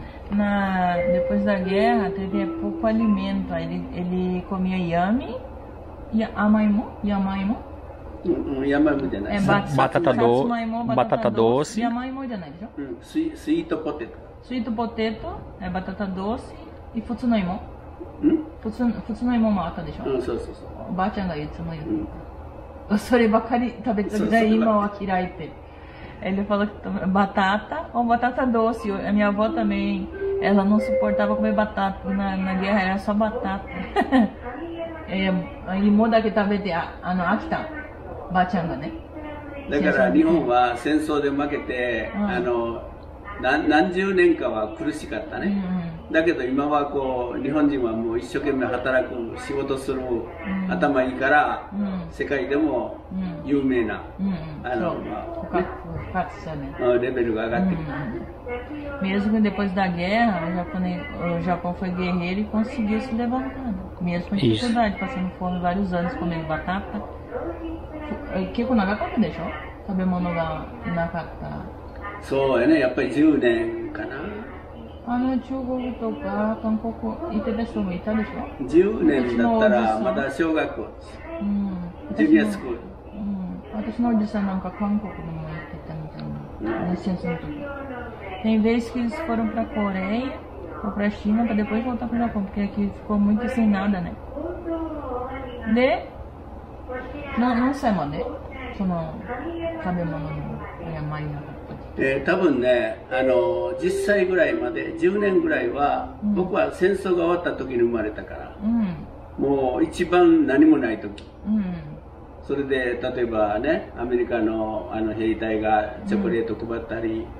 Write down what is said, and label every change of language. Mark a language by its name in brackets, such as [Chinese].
[Portuguese] Na depois da guerra teve pouco alimento, ele comia yami, amaimo, yamaimo. [Japanese] Yamaimo じゃない。 [Portuguese] Batata doce. [Japanese] Yamaimo じゃないでしょ。 [English] Sweet potato. Sweet potato, [Portuguese] é batata doce e [Japanese] futsu no imo. Futsu no imo もあったでしょ。そうそう。おばあちゃんがいつも言う。そればかり食べてるで、今は嫌いって。 [Portuguese] Ele falou que batata ou batata doce. A minha avó também, ela não suportava comer batata. Na guerra era só batata. [Japanese] Imo だけ食べて、あの、飽きた。ばあちゃんがね。だから日本は戦争で負けて、うん、あの何十年かは苦しかったね、うんうん、だけど今はこう日本人はもう一生懸命働く仕事する、うん、頭いいから、うん、世界でも有名な、うんうんうん、あの、まあ、復活したね、うん、レベルが上がってきた、 [Portuguese] うん、mesmo depois da guerra o Japão foi guerreiro e conseguiu se levantar mesmo em dificuldade, passando fome vários anos comendo batata [Japanese] 結構長かったでしょ食べ物がなかったそうやねやっぱり10年かなあの中国とか韓国いてた人もいたでしょ 10年だったらまだ小学校、うん、ジュニアスクール、うん、私のおじさんなんか韓国にも行ってたみたいな先生の時 [Portuguese] tem vezes que eles foram pra Coreia ou pra China pra depois voltar pro Japão porque aqui ficou muito sem nada né de [Japanese] 何歳まで、その食べ物の山になった多分ね、あの、10歳ぐらいまで、10年ぐらいは、うん、僕は戦争が終わった時に生まれたから、うん、もう一番何もない時、うん、それで例えばね、アメリカの、あの兵隊がチョコレート配ったり、